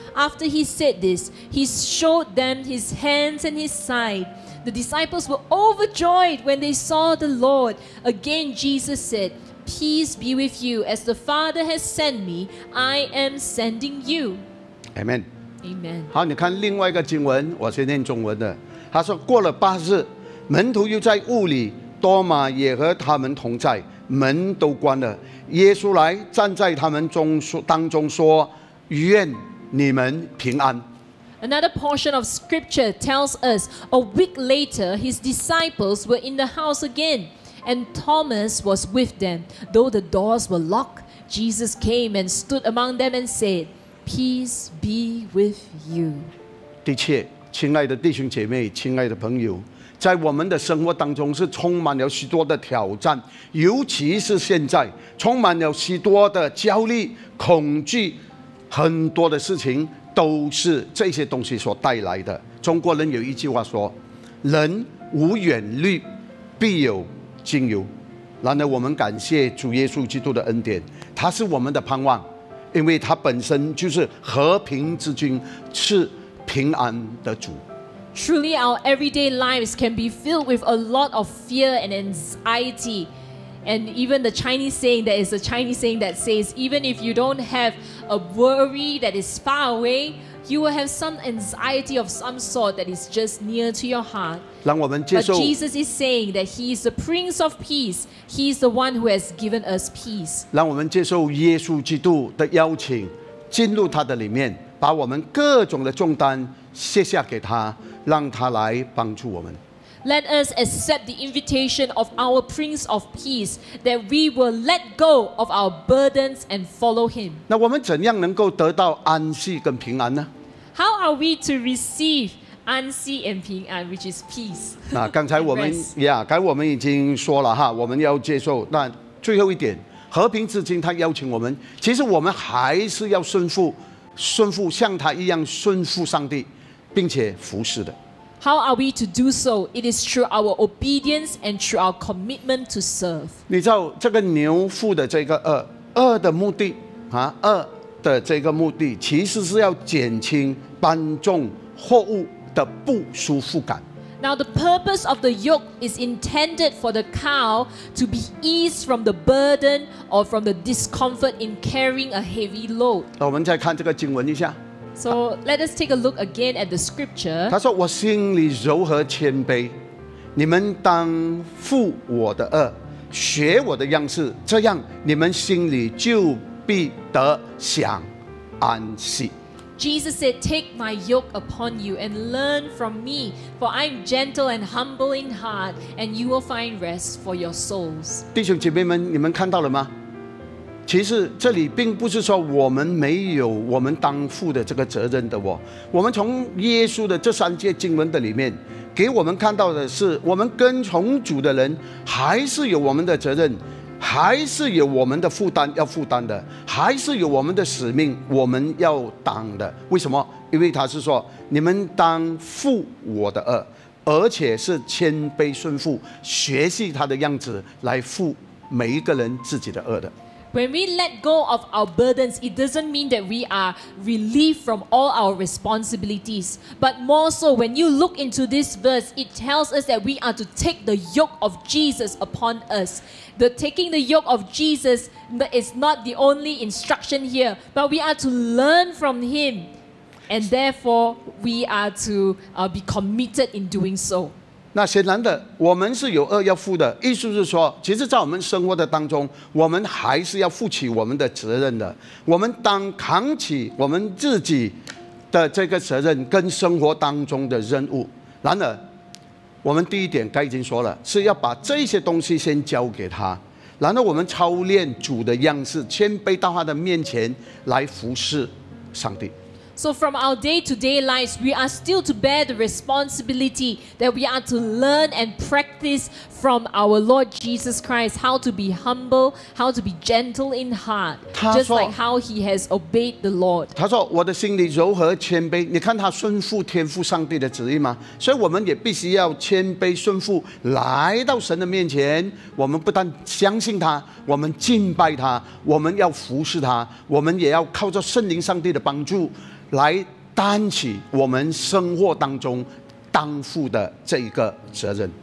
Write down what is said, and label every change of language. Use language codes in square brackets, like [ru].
[en] After he said this, he showed them his hands and his side. The disciples were overjoyed when they saw the Lord. Again, Jesus said, "Peace be with you. As the Father has sent me, I am sending you." Amen. Amen. [zh] 好，你看另外一个经文，我是念中文的。他说，过了八日，门徒又在屋里，多马也和他们同在，门都关了。耶稣来站在他们中当中说，愿你们平安。 [en] Another portion of scripture tells us, a week later, his disciples were in the house again, and Thomas was with them. Though the doors were locked, Jesus came and stood among them and said, "Peace be with you." [zh] 的确，亲爱的弟兄姐妹，亲爱的朋友，在我们的生活当中是充满了许多的挑战，尤其是现在，充满了许多的焦虑、恐惧，很多的事情都是这些东西所带来的。中国人有一句话说，人无远虑，必有近忧。然而我们感谢主耶稣基督的恩典，他是我们的盼望，因为他本身就是和平之君，是平安的主。 [en] Truly, our everyday lives can be filled with a lot of fear and anxiety. And even the Chinese saying, there is a Chinese saying that says, even if you don't have a worry that is far away, you will have some anxiety of some sort that is just near to your heart. But Jesus is saying that he is the Prince of Peace. He is the one who has given us peace. [zh] 让我们接受耶稣基督的邀请，进入他的里面，把我们各种的重担卸下给他，让他来帮助我们。 [en] Let us accept the invitation of our Prince of Peace, that we will let go of our burdens and follow him. [zh] 那我们怎样能够得到安息跟平安呢？ [en] How are we to receive 安息 and 平安, which is peace? [zh] 那刚才我们刚才我们已经说了哈，我们要接受。那最后一点，和平之君他邀请我们，其实我们还是要顺服，像他一样顺服上帝，并且服侍的。 [en] How are we to do so? It is through our obedience and through our commitment to serve. [zh] 你知道这个牛妇的这个恶，恶的目的啊，恶的这个目的其实是要减轻搬重货物的不舒服感。 [en] Now the purpose of the yoke is intended for the cow to be eased from the burden or from the discomfort in carrying a heavy load. [zh] 我们再看这个经文一下。 [en] So let us take a look again at the scripture. [zh] 他说，我心里柔和谦卑，你们当负我的轭，学我的样式，这样你们心里就必得享安息。 [en] Jesus said, "Take my yoke upon you and learn from me, for I am gentle and humble in heart, and you will find rest for your souls." [zh] 弟兄姐妹们，你们看到了吗？其实这里并不是说我们没有我们当父的这个责任的哦。我们从耶稣的这三节经文的里面，给我们看到的是，我们跟从主的人还是有我们的责任，还是有我们的负担要负担的，还是有我们的使命我们要当的。为什么？因为他是说，你们当负我的轭，而且是谦卑顺服，学习他的样子来负每一个人自己的轭的。 [en] When we let go of our burdens, it doesn't mean that we are relieved from all our responsibilities. But more so, when you look into this verse, it tells us that we are to take the yoke of Jesus upon us. The taking the yoke of Jesus is not the only instruction here, but we are to learn from him. And therefore, we are to be committed in doing so. [zh] 那显然的，我们是有轭要负的，意思是说，其实在我们生活的当中，我们还是要负起我们的责任的。我们当扛起我们自己的这个责任跟生活当中的任务。然而我们第一点该已经说了，是要把这些东西先交给他，然后我们操练主的样式，谦卑到他的面前来服侍上帝。 [en] So from our day-to-day lives, we are still to bear the responsibility that we are to learn and practice from our Lord Jesus Christ how to be humble, how to be gentle in heart, just like how he has obeyed the Lord. [zh] 他说我的心里柔和谦卑，你看他顺服天父上帝的旨意吗？所以我们也必须要谦卑顺服来到神的面前，我们不但相信他，我们敬拜他，我们要服侍他，我们也要靠着圣灵上帝的帮助来担起我们生活当中当负的这一个责任。